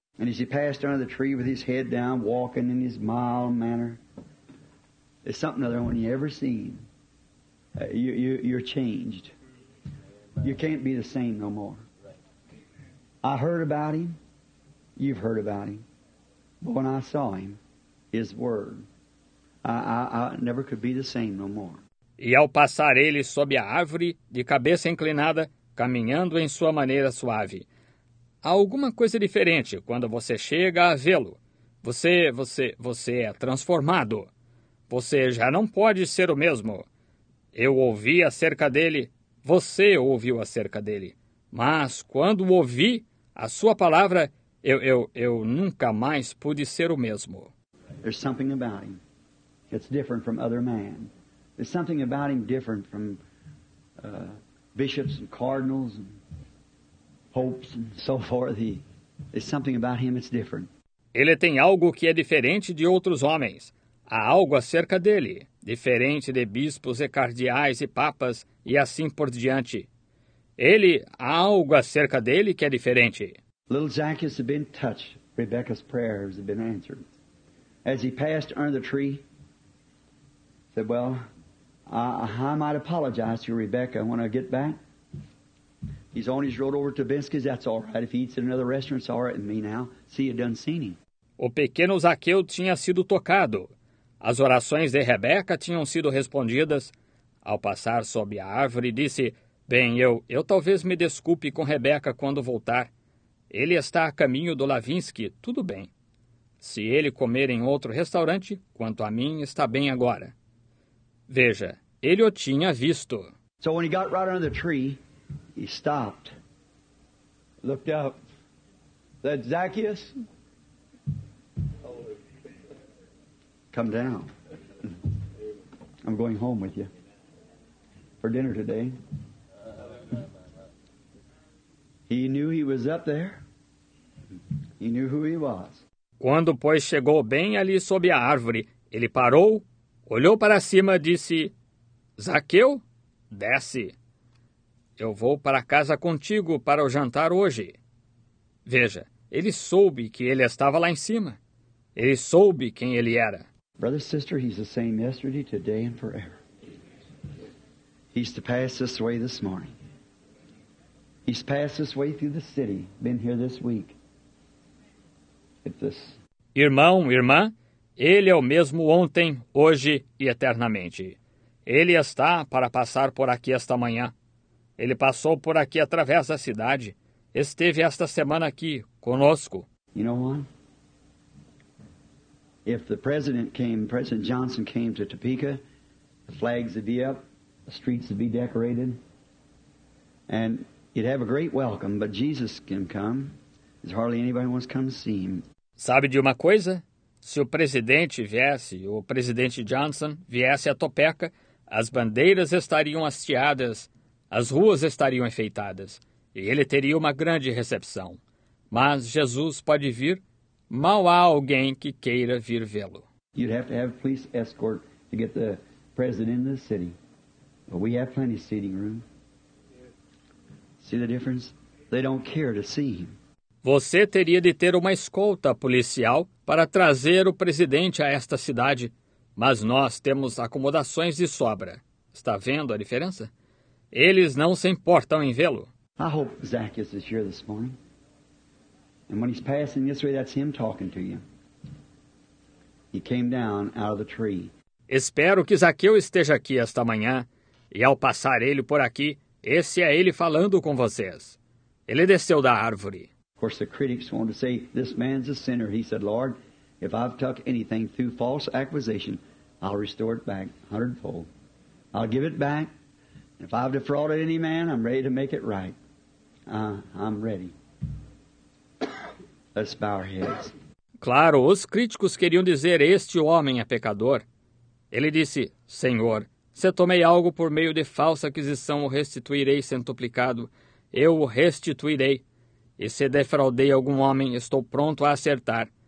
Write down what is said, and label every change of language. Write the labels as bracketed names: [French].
[English] And as he passed under the tree with his head down, walking in his mild manner, there's something other one you ever seen. You're changed. You can't be the same no more. I heard about him. You've heard about him. But when I saw him, his word, I never could be the same no more. [Portuguese] E ao passar ele sob a árvore, de cabeça inclinada, caminhando em sua maneira suave. Há alguma coisa diferente quando você chega a vê-lo. Você é transformado. Você já não pode ser o mesmo. Eu ouvi acerca dele, você ouviu acerca dele. Mas quando ouvi a sua palavra, eu nunca mais pude ser o mesmo. [English] There's something about him that's different from other men. There's something about him different from bishops and cardinals and popes and so forth. There's something about him that's different. [Portuguese] Ele tem algo que é diferente de outros homens. Há algo acerca dele, diferente de bispos e cardeais e papas e assim por diante. Ele, há algo acerca dele que é diferente. [English] Little Zacchaeus had been touched. Rebecca's prayers had been answered. As he passed under the tree, said, "Well, I might apologize to Rebecca when I get back. He's on his road over to Binsky's. That's all right. If he eats at another restaurant, it's all right with me now. See, you done seen him." [Portuguese] O pequeno Zaqueu tinha sido tocado. As orações de Rebeca tinham sido respondidas. Ao passar sob a árvore, disse: "Bem, eu talvez me desculpe com Rebeca quando voltar. Ele está a caminho do Lavinsky, tudo bem. Se ele comer em outro restaurante, quanto a mim, está bem agora." Veja, ele o tinha visto. [English] So when he got right under the tree, he stopped. Looked up. Said, "Zacchaeus, come down. I'm going home with you for dinner today." He knew he was up there. He knew who he was. [Portuguese] Quando, pois, chegou bem ali sob a árvore, ele parou, olhou para cima e disse: "Zaqueu, desce. Eu vou para casa contigo para o jantar hoje." Veja, ele soube que ele estava lá em cima. Ele soube quem ele era. [English] Brother, sister, he's the same yesterday, today and forever. He's to pass this way this morning. He's passed this way through the city, been here this week. [Portuguese] Irmão, irmã, ele é o mesmo ontem, hoje e eternamente. Ele está para passar por aqui esta manhã. Ele passou por aqui através da cidade. Esteve esta semana aqui, conosco. [English] You know what? If the president came, President Johnson came to Topeka, the flags would be up, the streets would be decorated, and you'd have a great welcome, but Jesus can come. There's hardly anybody wants to come to see him. [Portuguese] Sabe de uma coisa? Se o presidente viesse, o presidente Johnson viesse a Topeka, as bandeiras estariam hasteadas, as ruas estariam enfeitadas, e ele teria uma grande recepção. Mas Jesus pode vir, mal há alguém que queira vir vê-lo. [English] You'd have to have a police escort to get the president in the city. But we have plenty of seating room. See the difference? They don't care to see him. [Portuguese] Você teria de ter uma escolta policial para trazer o presidente a esta cidade, mas nós temos acomodações de sobra. Está vendo a diferença? Eles não se importam em vê-lo. [English] I hope Zacchaeus is here this morning. And when he's passing this way, that's him talking to you. He came down out of the tree. [Portuguese] Espero que Zaqueu esteja aqui esta manhã, e ao passar ele por aqui, esse é ele falando com vocês. Ele desceu da árvore. [English] Of course, the critics wanted to say, "This man's a sinner." He said, "Lord, if I've took anything through false accusation, I'll restore it back hundredfold. I'll give it back. And if I've defrauded any man, I'm ready to make it right. I'm ready." Let's bow our heads. [Portuguese] Claro, os críticos queriam dizer, "Este homem é pecador." Ele disse, "Senhor, se tomei algo por meio de falsa aquisição, o restituirei centuplicado. Eu o restituirei. E se defraudei algum homem, estou pronto a acertar.